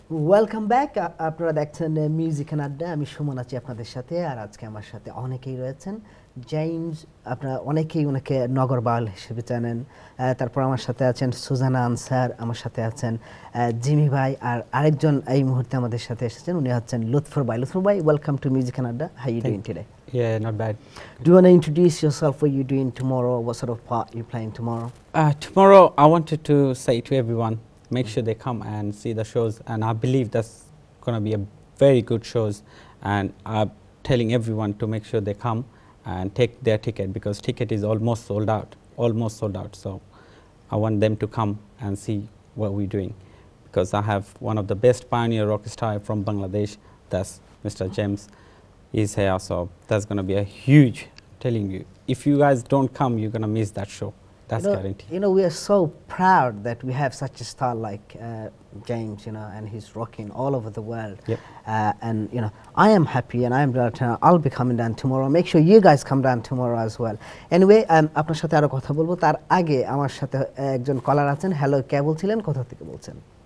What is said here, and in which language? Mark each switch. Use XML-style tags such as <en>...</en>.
<en>welcome back,</en> <bn>আপনারা দেখছেন music and আড্ডা। আমি সুমন আছি আপনাদের সাথে, আর আজকে আমার সাথে অনেকেই রয়েছেন। জেমস, আপনারা অনেকেই ওনাকে নগরবাল হিসেবে জানেন। তারপর আমার সাথে আছেন সুজানা আনসার, আমার সাথে আছেন জিমি ভাই, আর আরেকজন এই মুহূর্তে আমাদের সাথে এসেছেন, উনি হচ্ছেন লুৎফর ভাই।</bn> <en>লুৎফর ভাই, welcome to music and আড্ডা। How you doing today? Yeah, not bad. Do you want to introduce yourself? What you doing tomorrow? What sort of part you playing tomorrow? Tomorrow, I wanted to say to everyone, make sure they come and see the shows. And I believe that's going to be a very good shows. And I'm telling everyone to make sure they come and take their ticket, because ticket is almost sold out, almost sold out. So I want them to come and see what we're doing, because I have one of the best pioneer rock star from Bangladesh. That's Mr. James. He's here, so that's going to be a huge, telling you, if you guys don't come, you're going to miss that show. That's guaranteed. You know, we are so proud that we have such a star like James, you know, and he's rocking all over the world. Yep. And, you know, I am happy and I am glad to know I'll be coming down tomorrow. Make sure you guys come down tomorrow as well.</en> <bn>Anyway, আপনার সাথে আরো কথা বলবো, তার আগে আমার সাথে একজন কলার আছেন। হ্যালো, কে বলছিলেন, কোথা থেকে বলছেন?</bn>